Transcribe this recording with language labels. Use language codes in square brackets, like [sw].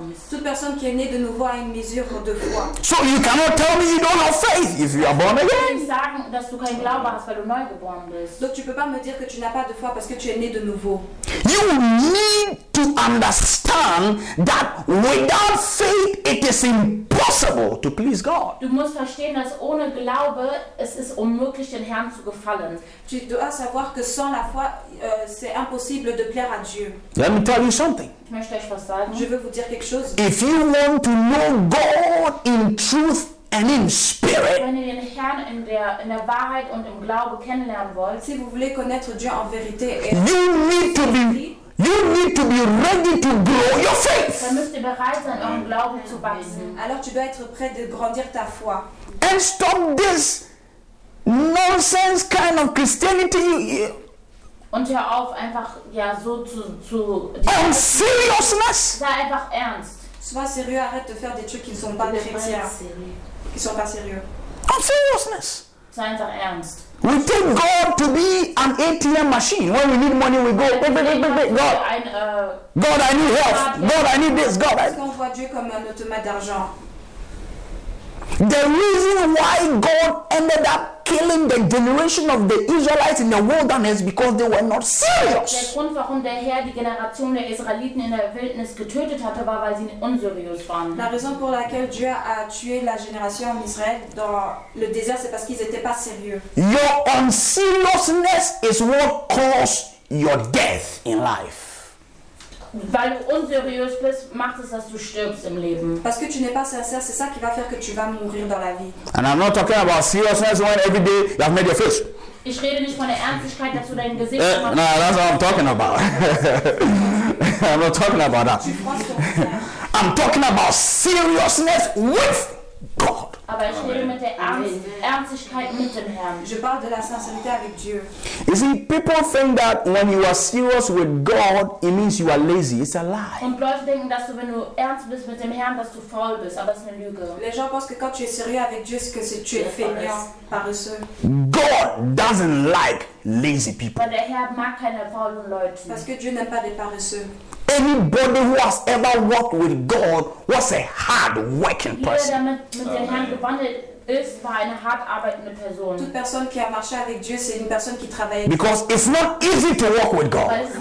[fr] Toute personne qui est née de nouveau a une mesure de foi. [en] So you cannot tell me you don't have faith if you are born again. [fr] Donc tu peux pas me dire que tu n'as pas de foi parce que tu es né de nouveau. [en] You need to understand that without faith it is impossible to please God. [de] Du musst verstehen, dass ohne Glaube es ist unmöglich, den Herrn zu gefallen. [fr] Tu dois savoir que sans la foi, c'est impossible de plaire à Dieu. [en] Let me tell you something. [fr] Je veux vous dire quelque chose. [en] If you want to know God in truth and in spirit, [de] wenn ihr den Herrn in der Wahrheit und im Glaube kennenlernen wollt, [fr] si vous voulez connaître Dieu en vérité, [en] you need to be ready to grow your faith. [de] Dann müsst ihr bereit sein, euren Glauben zu wachsen. [fr] Alors tu dois être prêt de grandir ta foi. [en] And stop this nonsense kind of Christianity. [de] Und hör auf, einfach ja so zu. [en] Oh, seriousness. [de] Sei einfach ernst. [fr] Sois sérieux, arrête de faire des trucs qui ne sont pas chrétiens. Qui sont pas sérieux. [en] Oh, seriousness. [de] Sei einfach ernst. [en] We take God to be an ATM machine. When we need money, we go, God. God, I need help. God, I need this. God. [fr] On voit Dieu comme un automate d'argent. [en] The reason why God ended up killing the generation of the Israelites in the wilderness because they were not serious. [de] Der Grund, warum der Herr die Generation der Israeliten in der Wildnis getötet hatte, war, weil sie unseriös waren. [fr] La raison pour laquelle Dieu a tué la génération d'Israël dans le désert, c'est parce qu'ils n'étaient pas sérieux. [en] Your unseriousness is what caused your death in life. [de] Weil du unseriös bist, macht es, dass du stirbst im Leben. [fr] Parce que tu n'es pas sincère, c'est ça qui va faire que tu vas mourir dans la vie. [en] And I'm not talking about seriousness when every day you have made your face. [de] Ich rede nicht von der Ernstigkeit, dass du dein Gesicht machst. [en] No, that's what I'm talking about. I'm not talking about that. I'm talking about seriousness with God. [de] Aber ich rede mit der Ernstigkeit mit dem Herrn. [fr] Je parle de la sincérité avec Dieu. [en] You see, people think that when you are serious with God, it means you are lazy. It's a lie. [de] Und Leute denken, dass du, wenn du ernst bist mit dem Herrn, dass du faul bist. Aber es ist eine Lüge. [fr] Les gens pensent que quand tu es sérieux avec Dieu, c'est que tu es fainéant, paresseux. [en] God doesn't like lazy people. [de] Weil der Herr mag keine faulen Leute. [fr] Parce que Dieu n'aime pas les paresseux. [en] Anybody who has ever worked with God was a hard-working person. [fr] Toute personne qui a marché avec Dieu, c'est une personne qui travaillait. [en] Because it's not easy to work with God.